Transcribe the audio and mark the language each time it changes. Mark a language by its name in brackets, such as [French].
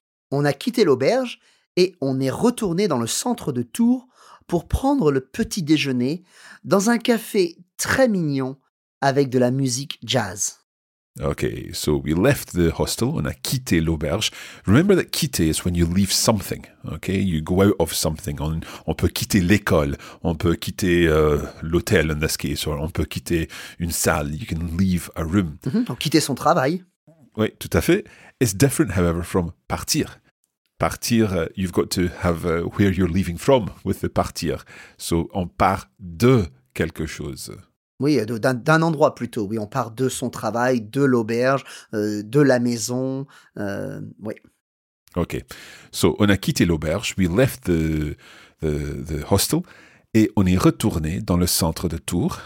[French] On a quitté l'auberge et on est retourné dans le centre de Tours pour prendre le petit déjeuner dans un café très mignon avec de la musique jazz. [English] Okay, so we left the hostel, [French] on a quitté l'auberge. [English] Remember that quitter is when you leave something, okay? You go out of something. [French] On peut quitter l'école, on peut quitter l'hôtel [English] in this case, or [French] on peut quitter une salle, [English] you can leave a room. [French] Mm-hmm. Ou quitter son travail. Oui, tout à fait. [English] It's different, however, from partir. Partir, you've got to have where you're leaving from with the partir. [French] So on part de quelque chose. Oui, d'un endroit plutôt. Oui, on part de son travail, de l'auberge, de la maison. Oui. [English] Ok. So, [French] on a quitté l'auberge. [English] We left the hostel. [French] Et on est retourné dans le centre de Tours.